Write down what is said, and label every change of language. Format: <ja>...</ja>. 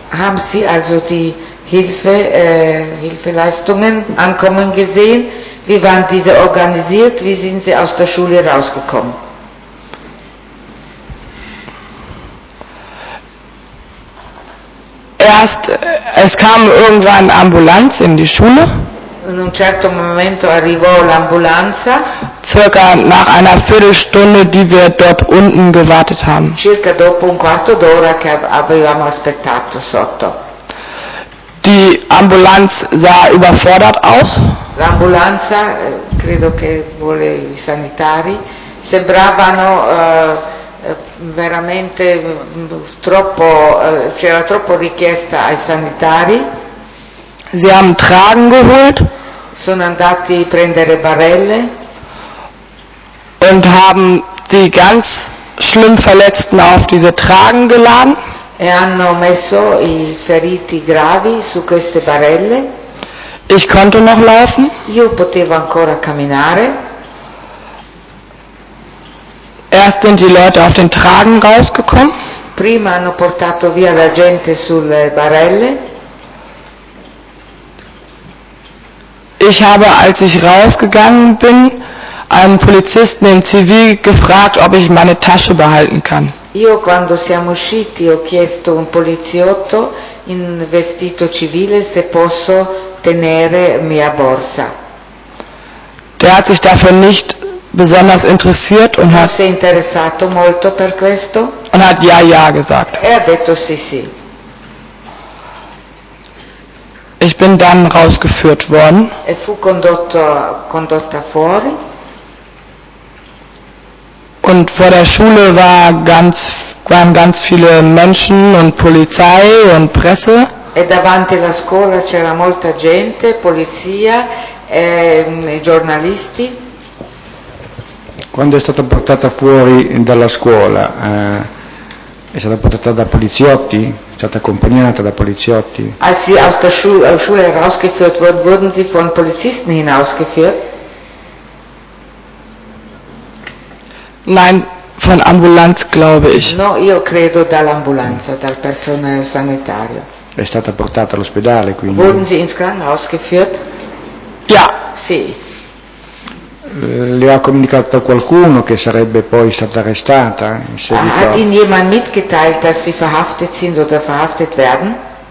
<de>Haben Sie also die Hilfeleistungen ankommen gesehen? Wie waren diese organisiert? Wie sind Sie aus der Schule rausgekommen? Erst, es kam irgendwann Ambulanz in die Schule.</de> <it>In un certo momento arrivò l'ambulanza.</it> <de>Circa nach einer Viertelstunde, die wir dort unten gewartet haben.</de> <it>Circa dopo un quarto d'ora che avevamo aspettato sotto.</it> <de>Die Ambulanz sah überfordert aus.</de> <it>L'ambulanza, credo che vuole i sanitari, sembravano veramente troppo, c'era troppo richiesta ai sanitari.</it> <de>Sie haben Tragen geholt.</de> <it>Sono andati a prendere barelle.</it> <de>Und haben die ganz schlimm Verletzten auf diese Tragen geladen.</de> <it>E hanno messo i feriti gravi su queste barelle.</it> <de>Ich konnte noch laufen.</de> <it>Io potevo ancora camminare.</it> <de>Erst sind die Leute auf den Tragen rausgekommen.</de> <it>Prima hanno portato via la gente sulle barelle.</it> <de>Ich habe, als ich rausgegangen bin, einen Polizisten in Zivil gefragt, ob ich meine Tasche behalten kann.</de> <it>Io quando siamo usciti ho chiesto un poliziotto in vestito civile se posso tenere mia borsa.</it> <de>Der hat sich dafür nicht besonders interessiert und hat.</de> <it>Si è interessato molto per questo?</it> <de>Und hat ja, ja gesagt.</de> <it>E ha detto sì, sì.</it> <de>Ich bin dann rausgeführt worden.</de> <it>E fu condotta fuori.</it> <de>Und vor der Schule waren ganz viele Menschen und Polizei und Presse.</de> <it>E davanti alla scuola c'era molta gente, polizia e giornalisti. Quando è stata portata fuori dalla scuola, è stata portata da poliziotti? È stata accompagnata da poliziotti?</it> <de>Als sie aus der Schule rausgeführt wurden, wurden sie von Polizisten hinausgeführt? Nein, von Ambulanz, glaube ich.</de> <it>No, io credo dall'ambulanza, dal personale sanitario. È stata portata all'ospedale, quindi?</it> <de>Wurden sie ins Krankenhaus geführt? Ja.</de> <it>Sì. Le ha comunicato a qualcuno che sarebbe poi stata arrestata in seguito?</it> <de>Hat Ihnen jemand mitgeteilt, dass Sie verhaftet sind oder verhaftet werden?</de>